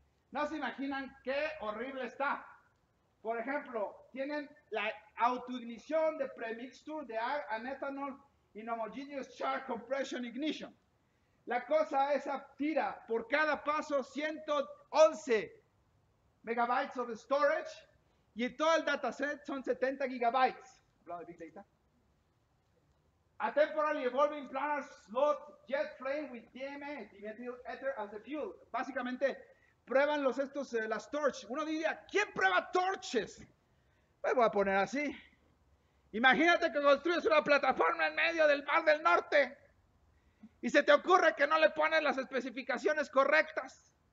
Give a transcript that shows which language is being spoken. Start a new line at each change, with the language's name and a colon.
Spanish: No se imaginan qué horrible está. Por ejemplo, tienen la autoignición de premixture de
English: air and ethanol in homogeneous char compression ignition.
Spanish: La cosa esa tira por cada paso 111
English: megabytes of storage
Spanish: y todo el dataset son 70 gigabytes. Hablando de Big Data.
English: A temporally evolving planar slot jet frame with DME, dimethyl ether as the fuel.
Spanish: Básicamente, prueban las torches. Uno diría, ¿quién prueba torches? Pues voy a poner así. Imagínate que construyes una plataforma en medio del Mar del Norte. Y se te ocurre que no le pones las especificaciones correctas.